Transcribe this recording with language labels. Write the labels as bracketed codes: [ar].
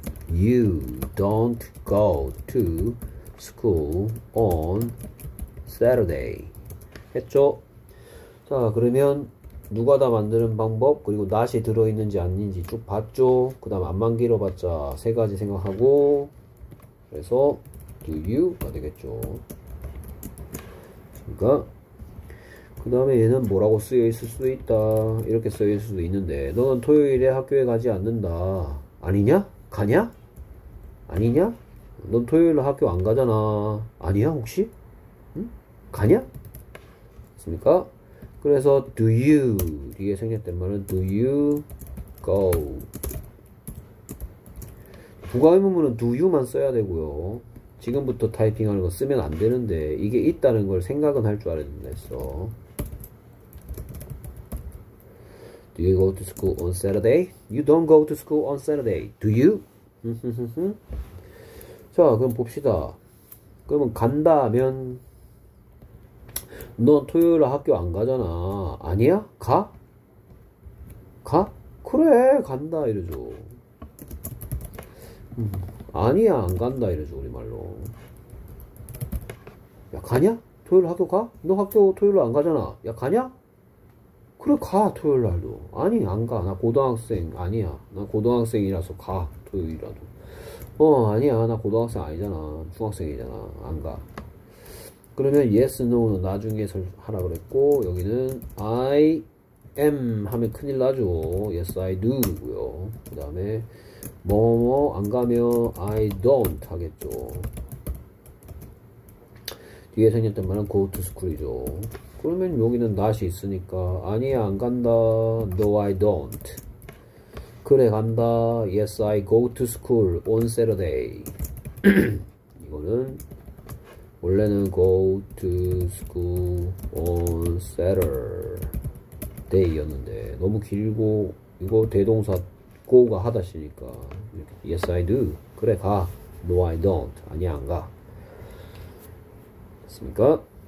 [en] You don't go to school on Saturday 했죠? [ko] 자, 그러면 누가 다 만드는 방법, 그리고 not이 들어있는지 아닌지 쭉 봤죠? 그 다음 안만 길어봤자 세 가지 생각하고, 그래서 [en] do you [ko] 가 되겠죠. 그러니까 그 다음에 얘는 뭐라고 쓰여 있을 수도 있다. 이렇게 쓰여 있을 수도 있는데, 너는 토요일에 학교에 가지 않는다. 아니냐? 가냐? 아니냐? 넌 토요일에 학교 안 가잖아. 아니야, 혹시? 가냐? 맞습니까? 그래서 do you 뒤에 생략된 말은 [en] do you go. [ko] 부가 의문문은 do you만 써야 되고요. 지금부터 타이핑하는 거 쓰면 안 되는데 이게 있다는 걸 생각은 할줄 알아야 된다 했어. [en] Do you go to school on Saturday? You don't go to school on Saturday. Do you? [ko] 자, 그럼 봅시다. 그러면 간다면 넌 토요일에 학교 안 가잖아. 아니야? 가? 가? 그래, 간다 이러죠. 아니야, 안 간다 이러죠, 우리말로. 야, 가냐? 토요일 학교 가? 너 학교 토요일로 안 가잖아. 야, 가냐? 그래, 가 토요일 날도. 아니, 안 가. 나 고등학생 아니야. 나 고등학생이라서 가 토요일이라도. 아니야, 나 고등학생 아니잖아. 중학생이잖아. 안 가. 그러면 yes, no는 나중에 하라 그랬고, 여기는 [en] I am [ko] 하면 큰일 나죠. [en] Yes, I do고요. [ko] 그 다음에 뭐뭐 안 가면 [en] I don't [ko] 하겠죠. 뒤에 생겼던 말은 [en] go to school [ko] 이죠. 그러면 여기는 not이 있으니까 아니야, 안 간다. [en] No, I don't. [ko] 그래, 간다. [en] Yes, I go to school on Saturday. [ko] 이거는 원래는 [en] go to school on Saturday [ko] 였는데 너무 길고, 이거 대동사 go가 하다시니까 이렇게 [en] yes I do. [ko] 그래, 가. [en] No, I don't. [ko] 아니야, 안 가. 됐습니까?